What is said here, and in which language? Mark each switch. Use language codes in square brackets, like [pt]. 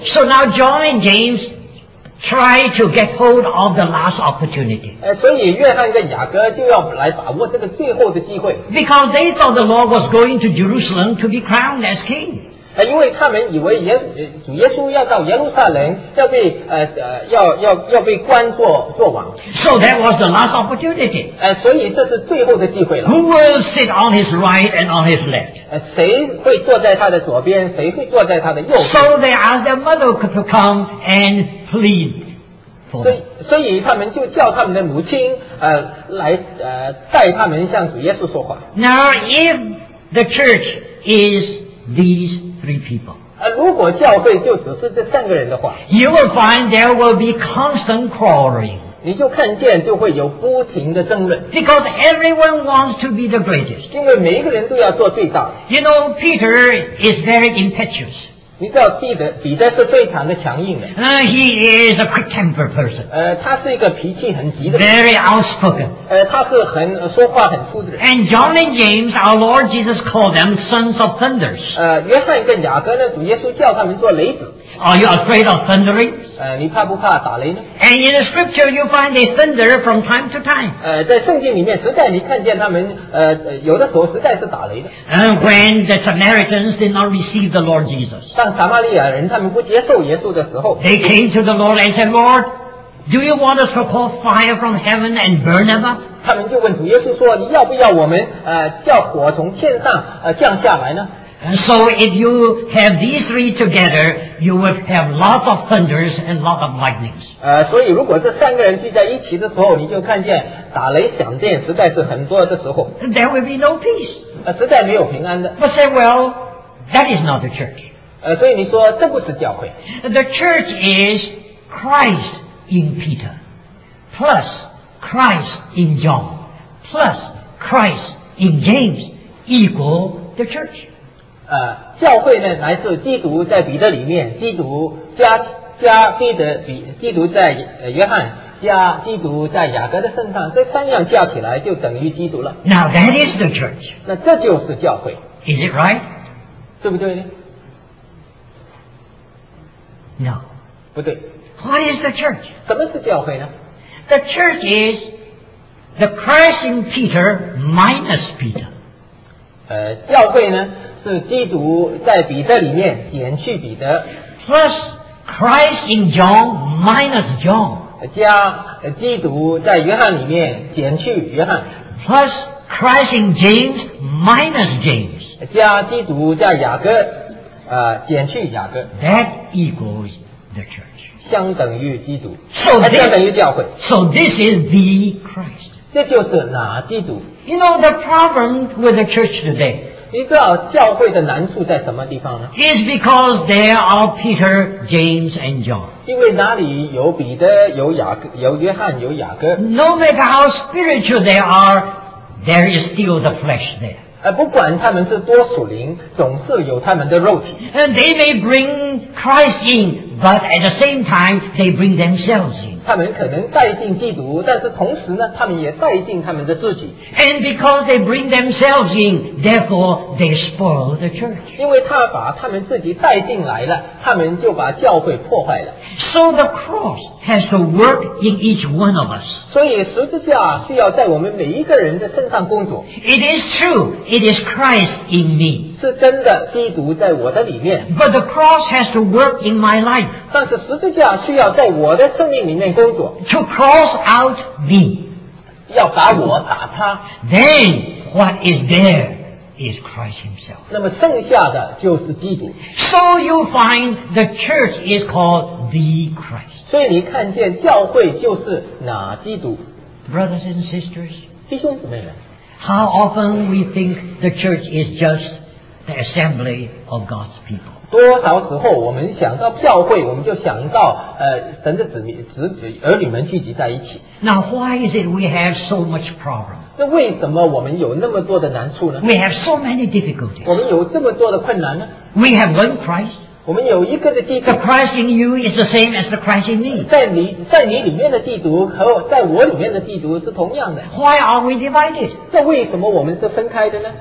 [en] So now John and James try to get hold of the last opportunity. [zh] 所以约翰跟雅各就要来把握这个最后的机会。 [en] Because they thought the Lord was going to Jerusalem to be crowned as king. [zh] 因为他们以为主耶稣要到耶路撒冷要 被关做王。 [en] So that was the last opportunity. [zh] 所以这是最后的机会了。 [en] Who will sit on his right and on his left? [zh] 谁会坐在他的左边，谁会坐在他的右边。 [en] So they asked their mother to come and plead for them. [zh] 所以他们就叫他们的母亲来带他们向主耶稣说话。 [en] Now if the church is these three people. [zh] 如果教会就只是这三个人的话， [en] you will find there will be constant quarreling. [zh] 你就看见就会有不停的争论。 [en] Because everyone wants to be the greatest. [zh] 因为每一个人都要做最大。 [en] You know, Peter is very impetuous. [zh] 你知道彼得是非常的强硬的。 [en] He is a quick-tempered person. [zh] 他是一个脾气很急的。 [en] Very outspoken. [zh] 他是很说话很粗的。 [en] And John and James, our Lord Jesus called them sons of thunders. [zh] 约翰跟雅各呢，主耶稣叫他们做雷子。 [en] Are you afraid of thundering? [zh] 你怕不怕打雷呢？ [en] And in the scripture, you find they thunder from time to time. [zh] 在圣经里面，实在你看见他们有的时候实在是打雷的。 [en] And when the Samaritans did not receive the Lord Jesus. [zh] 当撒玛利亚人他们不接受耶稣的时候， [en] they came to the Lord and said, Lord, do you want us to pour fire from heaven and burn them up? [zh] 他们就问主耶稣说，你要不要我们叫火从天上降下来呢？ [en] And so if you have these three together, you will have lots of thunders and lots of lightnings. [zh] 所以如果这三个人聚在一起的时候，你就看见打雷响电实在是很多的时候。 [en] There will be no peace. [zh] 实在没有平安的。 [en] But say, well, that is not the church. [zh] 所以你说这不是教会。 [en] The church is Christ in Peter, plus Christ in John, plus Christ in James, equal the church. [zh] 教会呢乃是基督在彼得里面，基督加彼得，基督在约翰，加基督在雅各的身上，这三样加起来就等于基督了。 [en] Now that is the church. [zh] 那这就是教会。 [en] Is it right? [zh] 对不对呢？ [en] No. [zh] 不对。 [en] What is the church? [zh] 什么是教会呢？ [en] The church is the Christ in Peter minus Peter. [zh] 教会呢是基督在彼得里面减去彼得， [en] plus Christ in John minus John， [zh] 加基督在约翰里面减去约翰， [en] plus Christ in James minus James， [zh] 加基督在雅各减去雅各。 [en] That equals the church， [zh] 相等于基督， [en] so this, [zh] 相等于教会。 [en] So this is the Christ， [zh] 这就是哪基督。 [en] You know the problem with the church today， [zh] 你知道教会的难处在什么地方呢？ [en] It's because there are Peter, James and John. [zh] 因为哪里有彼得，有雅各，有约翰，有雅各。 [en] No matter how spiritual they are, there is still the flesh there. [zh] 不管他们是多属灵，总是有他们的肉体。 [en] And they may bring Christ in, but at the same time, they bring themselves in. [zh] 他们可能带进基督，但是同时呢，他们也带进他们的自己。 [en] And because they bring themselves in, therefore they spoil the church. [zh] 因为他把他们自己带进来了，他们就把教会破坏了。 [en] So the cross has to work in each one of us. [zh] 所以十字架是要在我们每一个人的身上工作。 [en] It is true, it is Christ in me. [zh] 是真的，基督在我的里面。 [en] But the cross has to work in my life. [zh] 但是十字架需要在我的生命里面工作。 [en] To cross out me. [zh] 要把我打他。 [en] Then what is there? Is Christ Himself. [zh] 那么剩下的就是基督。 [en] So you find the church is called the Christ. [zh] 所以你看见教会就是哪基督。 [en] Brothers and sisters, [zh] 弟兄姊妹们， [en] how often we think the church is just the assembly of God's people. [zh] 多少时候我们想到教会，我们就想到神的儿女们聚集在一起。 [en] Now why is it we have so much problem? [zh] 那为什么我们有那么多的难处呢？ [en] We have so many difficulties. [zh] 我们有这么多的困难呢？ [en] We have one Christ. [zh] 我们有一个的基督。 [en] The Christ in you is the same as the Christ in me. [zh] 在你里面的基督和在我里面的基督是同样的。 [en] Why are we divided? [zh] 那为什么我们是分开的呢？